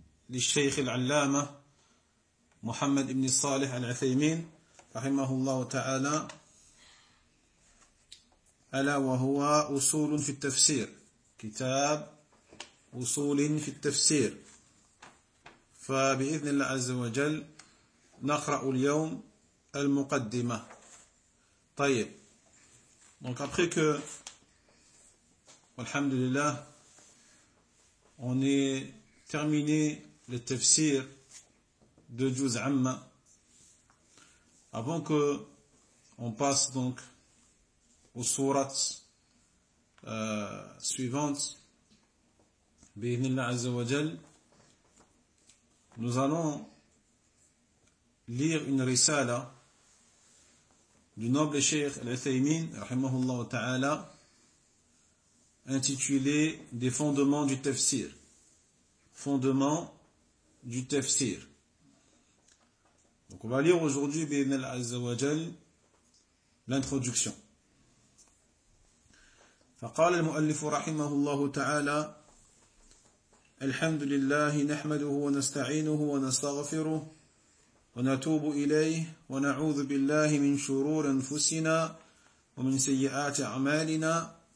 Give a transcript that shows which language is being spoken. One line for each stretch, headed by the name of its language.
Arabic: للشيخ العلامة محمد بن الصالح العثيمين رحمه الله تعالى، ألا وهو أصول في التفسير، كتاب أصول في التفسير. فبإذن الله عز وجل نقرأ اليوم المقدمة.
French: طيب، donc après que
Arabic: والحمد لله
French: on est terminé le tafsir de Juz Amma. Avant que on passe donc aux sourates suivantes, bi'idhnillah azza wa jal, nous allons lire une risala du noble Cheikh Al-Uthaymeen rahimahullah ta'ala, intitulée Des fondements du tafsir. Fondements du tafsir. Donc on va lire aujourd'hui
Arabic: بإذن الله عز وجل
French: l'introduction.
Arabic: فقال المؤلف رحمه الله تعالى الحمد لله نحمده ونستعينه ونستغفره ونتوب إليه ونعوذ بالله من شرور أنفسنا ومن سيئات أعمالنا،